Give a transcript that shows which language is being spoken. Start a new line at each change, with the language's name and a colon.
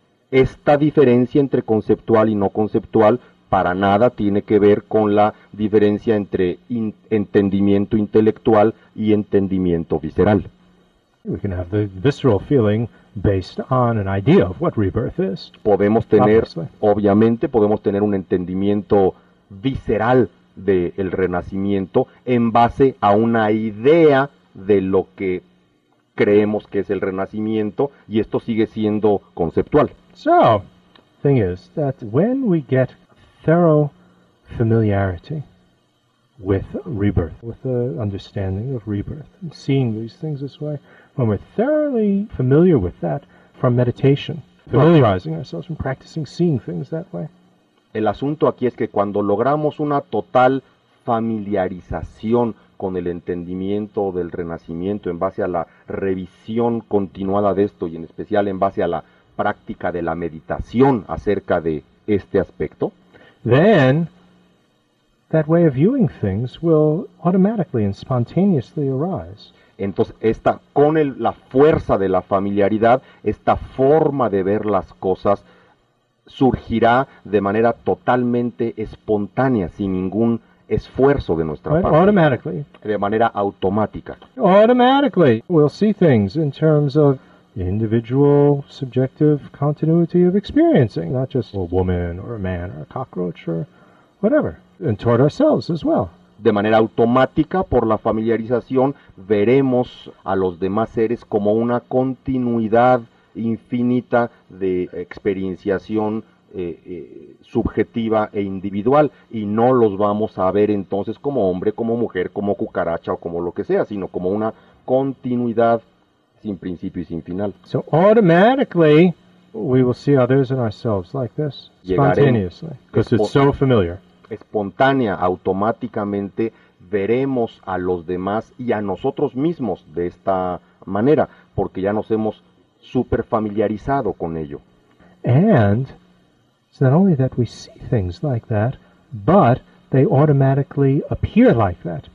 Spanish: Esta diferencia entre conceptual y no conceptual para nada tiene que ver con la diferencia entre entendimiento intelectual y entendimiento visceral.
English: We can have the visceral feeling based on an idea of what rebirth is.
Spanish: Podemos tener, obviamente, podemos tener un entendimiento visceral del renacimiento en base a una idea de lo que creemos que es el renacimiento, y esto sigue siendo conceptual.
English: So, thing is that when we get thorough familiarity with rebirth, with the understanding of rebirth, and seeing these things this way, when we're thoroughly familiar with that from meditation, familiarizing ourselves from practicing seeing things that way.
Spanish: El asunto aquí es que cuando logramos una total familiarización con el entendimiento del renacimiento en base a la revisión continuada de esto y en especial en base a la práctica de la meditación acerca de este aspecto,
English: then that way of viewing things will automatically and spontaneously arise.
Spanish: Entonces, con la fuerza de la familiaridad, esta forma de ver las cosas surgirá de manera totalmente espontánea, sin ningún esfuerzo de nuestra parte.
English: Automatically.
Spanish: De manera automática.
English: Automatically. We'll see things in terms of individual subjective continuity of experiencing, not just a woman or a man or a cockroach or whatever, and toward ourselves as well.
Spanish: De manera automática, por la familiarización, veremos a los demás seres como una continuidad infinita de experienciación subjetiva e individual, y no los vamos a ver entonces como hombre, como mujer, como cucaracha o como lo que sea, sino como una continuidad sin principio y sin final.
English: So automatically we will see others and ourselves like this, spontaneously, because it's so familiar.
Spanish: Espontánea, automáticamente veremos a los demás y a nosotros mismos de esta manera, porque ya nos hemos super familiarizado con ello.
English: And it's not only that we see things like that, but they automatically appear like that.